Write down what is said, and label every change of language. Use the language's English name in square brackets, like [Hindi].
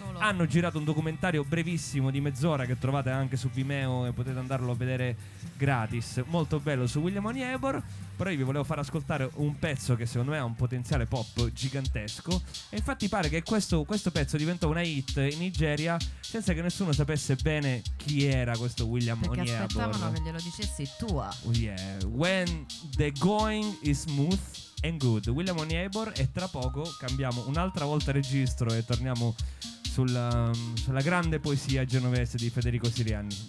[Italian] Hanno girato un documentario brevissimo di mezz'ora che trovate anche su Vimeo e potete andarlo a vedere gratis, molto bello, su William Onyeabor. Però io vi volevo far ascoltare un pezzo che secondo me ha un potenziale pop gigantesco, e infatti pare che questo pezzo diventò una hit in Nigeria senza che nessuno sapesse bene chi era questo William Onyeabor, perché aspettavano che glielo dicessi tu. [English] When the going is smooth and good, William Onyeabor. [Italian] E tra poco cambiamo un'altra volta registro e torniamo sulla grande poesia genovese di Federico Sirianni.